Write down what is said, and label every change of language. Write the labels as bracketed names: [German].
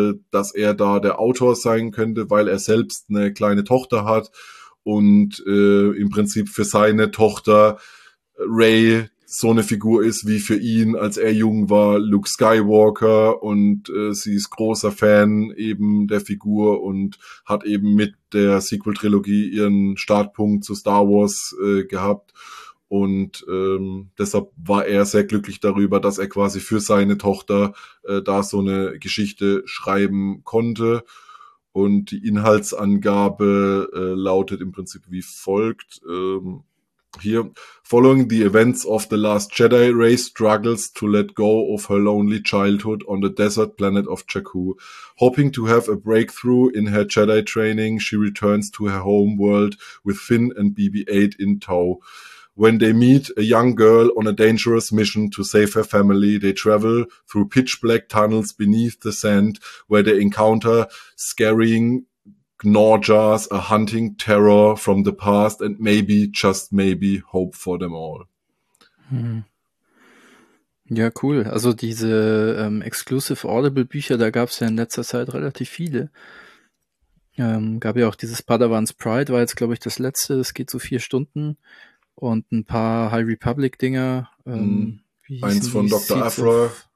[German] dass er da der Autor sein könnte, weil er selbst eine kleine Tochter hat und im Prinzip für seine Tochter Rey so eine Figur ist wie für ihn, als er jung war, Luke Skywalker, und sie ist großer Fan eben der Figur und hat eben mit der Sequel-Trilogie ihren Startpunkt zu Star Wars gehabt. Und deshalb war er sehr glücklich darüber, dass er quasi für seine Tochter da so eine Geschichte schreiben konnte. Und die Inhaltsangabe lautet im Prinzip wie folgt. [English] Hier, following the events of The Last Jedi, Rey struggles to let go of her lonely childhood on the desert planet of Jakku. Hoping to have a breakthrough in her Jedi training, she returns to her home world with Finn and BB-8 in tow. When they meet a young girl on a dangerous mission to save her family, they travel through pitch-black tunnels beneath the sand, where they encounter scaring gnawjars, a hunting terror from the past, and maybe, just maybe, hope for them all. [German] Hm. Ja, cool. Also diese Exclusive Audible-Bücher, da gab es ja in letzter Zeit relativ viele. Gab ja auch dieses Padawan's Pride, war jetzt, glaube ich, das letzte. Es geht so 4 Stunden. Und ein paar High Republic-Dinger. Eins von Dr. Aphra.